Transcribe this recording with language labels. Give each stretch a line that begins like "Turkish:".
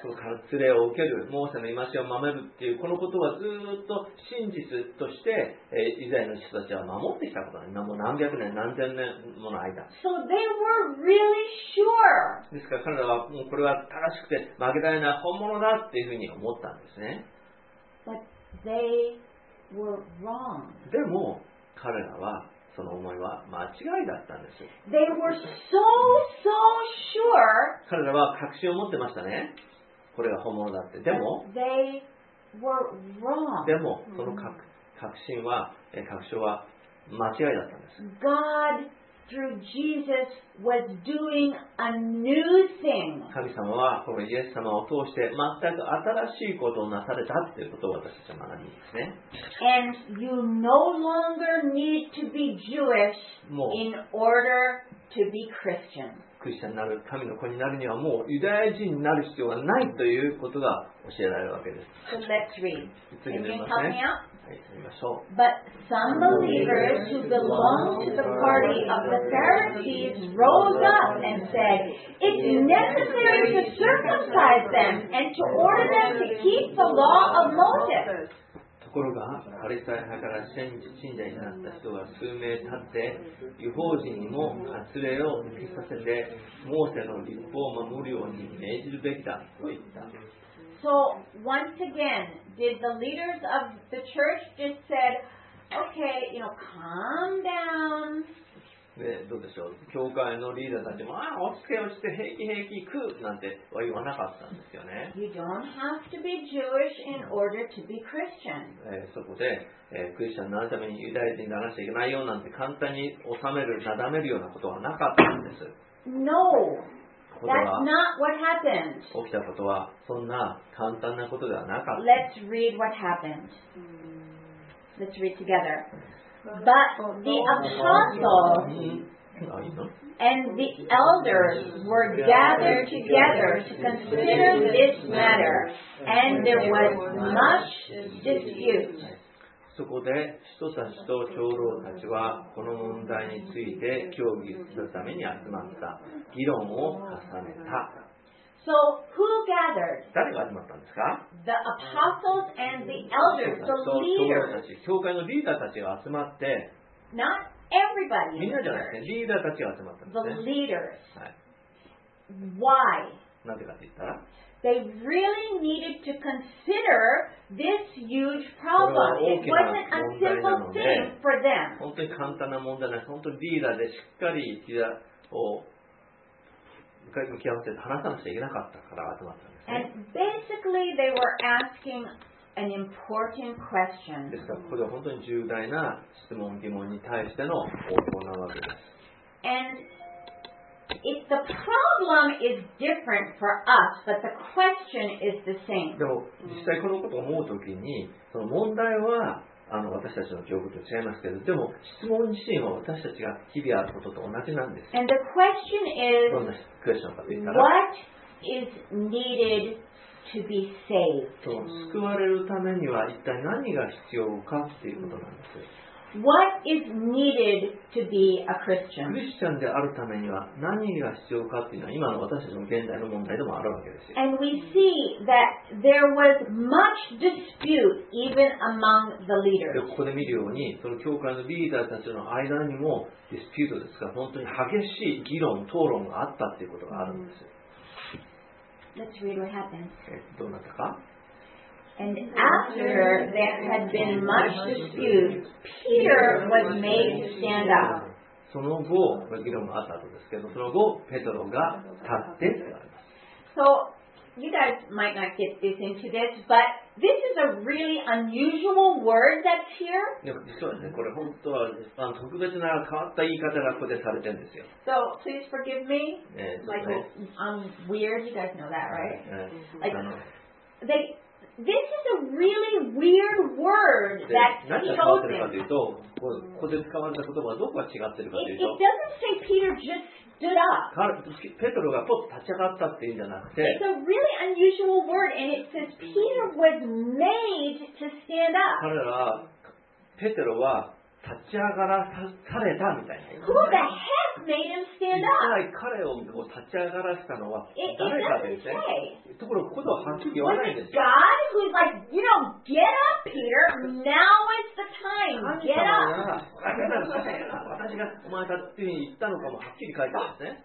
Japanese: そう、割礼を受ける、モーセの戒めを守るっていうこのことはずっと真実として、以前の人たちは守ってきたことなんもう何百年何千年もの間。
English: So they were really sure.
Japanese: ですから彼らはもうこれは正しくて負けられない本物だっていうふうに思ったんですね。
English: But they were wrong.
Japanese: でも彼らはその思いは間違いだったんです。
English: They were so, so sure.
Japanese: 彼らは確信を持ってましたね。これが本物だって。でも、
English: they were wrong.
Japanese: でも、その確信は、確証は間違いだったんです。
English: God, through Jesus, was doing a new thing.
Japanese: 神様は、このイエス様を通して、全く新しいことをなされたということを私たちは学びますね。
English: And you no longer need to be Jewish in order to be Christian.
Japanese: クリスチャンになる、神の子になるにはもうユダヤ人になる必要がないということが教えられるわけです。
English: So let's read. Can you help me out? But some believers who belonged to the party of the Pharisees rose up and said, It's necessary to circumcise them and to order them to keep the law of Moses.
Japanese: ところが、パリサイ派から信者になった人が数名立って、異邦人にも割礼を受けさせて、モーセの律法を守るように命じるべきだと言った。
English: So once again, did the leaders of the church just said, "Okay, you know, calm down"?
Japanese: で、どうでしょう。教会のリーダーたちも、ああ、落ち着け落ち着け、平気平気、食うなんては言わなかったんですよね。
English: You don't have to be Jewish in order to be Christian.
Japanese: そこで、クリスチャンになるためにユダヤ人にならなきゃいけないよなんて簡単に収める、なだめるようなことはなかったんです。
English: No. That's not what happened.
Japanese: 起きたことはそんな簡単なことではなかった。
English: Let's read what happened. Let's read together. But the apostles and the elders were gathered together to consider this matter, and there was much dispute.
Japanese: そこで使徒たちと長老たちはこの問題について協議するために集まった。議論を重ねた。
English: So, who gathered?
Japanese: 誰が集まったんですか?
English: The apostles and the elders, the leaders.
Japanese: 使徒たちと長老たち、教会のリーダーたちが集まって、
English: Not everybody.
Japanese: みんなじゃないですね。リーダーたちが集まったんですね。
English: The leaders.
Japanese: はい。
English: Why?
Japanese: なぜかって言ったら、
English: They really needed to consider this huge problem. It wasn't a simple thing for them.
Japanese: 本当に簡単な問題なんです。本当にリーダーでしっかり一夜を向き合って話さなくちゃいけなかったから集まったんですね。
English: And basically they were asking an important question.
Japanese: ですからここでは本当に重大な質問疑問に対しての応答なわけです。
English: And If the problem is different for us, but the question is the same.
Japanese: でも実際このことを思うときに、その問題は私たちの記憶と違いますけど、でも質問自身は私たちが日々あることと同じなんです。
English: And the question is,
Japanese: どんなクエスチョンかというと、
English: What is needed to be saved?
Japanese: その救われるためには一体何が必要かっていうことなんです。
English: What is needed to be a Christian?
Japanese: クリスチャンであるためには何が必要かというのは今の私たちの現代の問題でもあるわけですよ。
English: And we see that there was much dispute even among the leaders.
Japanese: で、ここで見るように、その教会のリーダーたちの間にもディスピュートですから、本当に激しい議論、討論があったっていうことがあるんですよ。
English: Let's read what happened.
Japanese: どうなったか?
English: And after there had been much dispute, Peter was made to stand up.
Japanese: その後、議論があったとですけど、その後、ペトロが立って。
English: So, you guys might not get this into this, but this is a really unusual word that's here.
Japanese: そうですね、これ本当は特別な変わった言い方がここでされてるんですよ。
English: So, please forgive me. Like, I'm weird. You guys know that, right? This is a really weird word that's chosen. It doesn't say Peter just stood up.
Japanese: Peter がポッと立ち上がったっていうんじゃなくて、
English: It's a really unusual word, and it says Peter was made to stand up.
Japanese: 彼らペテロは立ち上がらされたみたいな。
English: Who the heck made him stand up?
Japanese: 実際彼を立ち上がらせたのは誰かですね。ところがここでははっきり言わないんです。
English: God who's like, you know, get up, Peter. Now is the time. Get up.
Japanese: 私がお前たちに言ったのかもはっきり書いてますね。